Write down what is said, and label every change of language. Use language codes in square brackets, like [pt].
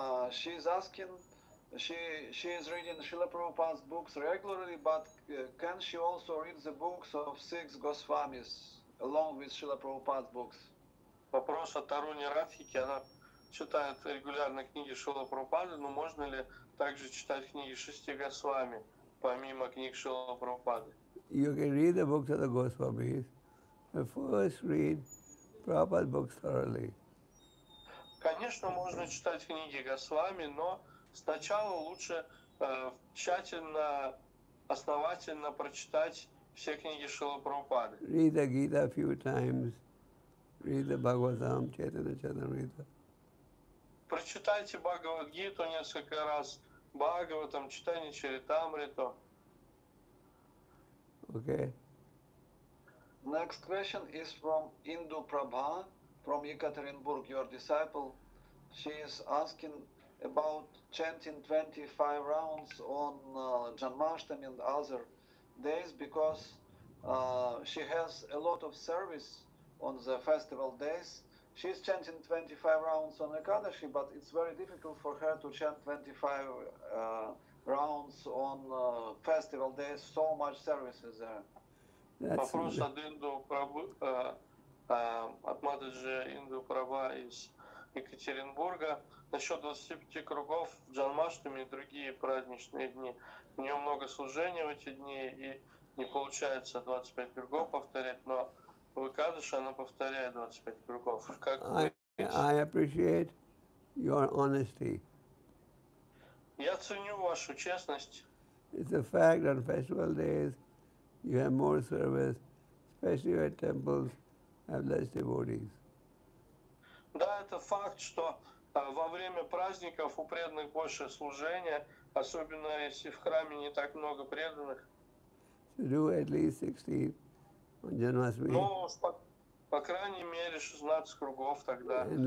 [en] She is asking, she is reading Srila Prabhupada's books regularly, but can she also read the books of six Goswamis along with Srila Prabhupada's books? [ru] Вопрос от Таруни Радхики. Она читает регулярно книги Шрила Прабхупады, но можно ли также читать книги шести Госвами помимо книг Шрила Прабхупады? [en] You can read the books of the Goswamis. First read Prabhupada's books thoroughly. [ru] Конечно, можно читать книги Госвами, но сначала лучше тщательно, основательно прочитать все книги Шрила Прабхупады. [en] Read the Gita a few times. Read the Bhagavatam, Chaitanya Charitamrita. [ru] Прочитайте Бхагавад-гиту несколько раз. Бхагаватам, Чайтанья Чаритамриту. [en] Okay. Next question is from Indu Prabha, from Ekaterinburg, your disciple. She is asking about chanting 25 rounds on Janmashtami and other days because she has a lot of service on the festival days. She is chanting 25 rounds on Ekadashi, but it's very difficult for her to chant 25 rounds on festival days, so much service is there. [ru] Вопрос от Инду Прабу, от Матаджи Инду Праба из Екатеринбурга. Насчет 25 кругов в Джанмаштами и другие праздничные дни. У нее много служений в эти дни, и не получается 25 кругов повторять, но в Экадаши она повторяет 25 кругов. Как [en] I appreciate your honesty. [ru] Я ценю вашу честность. [en] It's a fact that festival days you have more service, especially at temples, have less devotees. [ru] Да, это факт, что во время праздников у преданных больше служения, особенно если в храме не так много преданных. [en] So do at least 16 on Janmashtami. [ru] Ну, по крайней мере 16 кругов тогда.